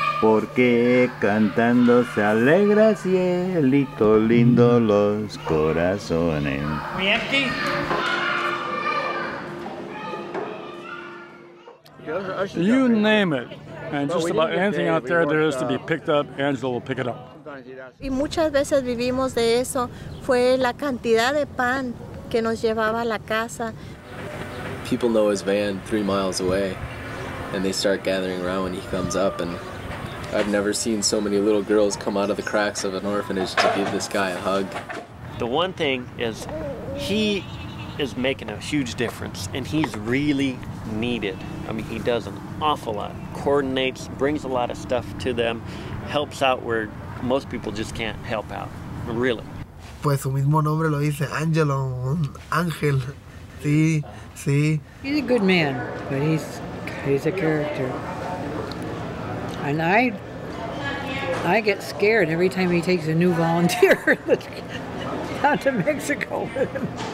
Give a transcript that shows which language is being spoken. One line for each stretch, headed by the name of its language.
Spanish: Porque cantando se alegra cielito lindo los corazones. Mierki.
English: You name it. And just about anything out there that is to be picked up, Angela will pick it up.
Spanish: Y muchas veces vivimos de eso. Fue la cantidad de pan que nos llevaba a la casa.
English: People know his van 3 miles away. And they start gathering around when he comes up and... I've never seen so many little girls come out of the cracks of an orphanage to give this guy a hug. The one thing is he is making a huge difference and he's really needed. I mean, he does an awful lot, coordinates, brings a lot of stuff to them, helps out where most people just can't help out, really.
Spanish: Pues su mismo nombre lo dice, Angelo, Ángel, sí, sí.
English: He's a good man, but he's a character. And I get scared every time he takes a new volunteer down to Mexico with him.